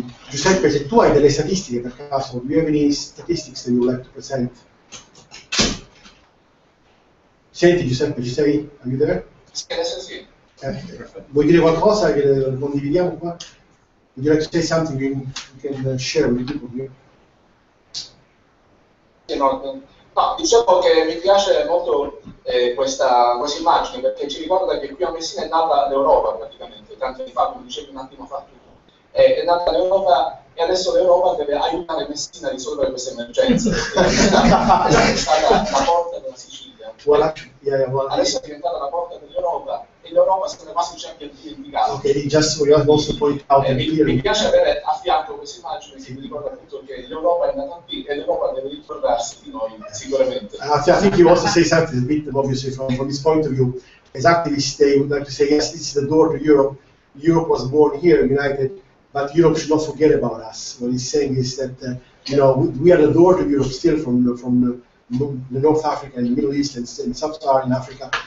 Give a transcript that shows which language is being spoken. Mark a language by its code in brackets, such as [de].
[en] Giuseppe, [it] se tu hai delle statistiche per caso, [en] do you have any statistics that you would like to present? [it] Senti Giuseppe, ci sei? [en] Are you there? [it] Sì, adesso sì. Vuoi dire qualcosa che condividiamo qua? [en] Would you like to say something you can share with people here? [it] No, diciamo che mi piace molto questa immagine, perché ci ricorda che qui a Messina è nata l'Europa praticamente, tanti anni fa, come dicevi un attimo fa tu, è nata l'Europa e adesso l'Europa deve aiutare Messina a risolvere questa emergenza, è stata la porta della Sicilia, [fr] voilà. [it] Adesso è diventata la porta dell'Europa e l'Europa se ne va su c'è anche dimenticato. [en] Ok, just we have also pointed out [it] mi piace avere a fianco questa immagine, sì. Che mi ricorda appunto che l'Europa è nata qui e l'Europa deve ricordarsi di noi, sicuramente. [en] I think you also say something a bit, obviously, from this point of view. As activists, they would like to say, yes, this is the door to Europe. Europe was born here, united, but Europe should not forget about us. What he's saying is that, you know, we are the door to Europe still from the North Africa and the Middle East and Sub-Saharan Africa.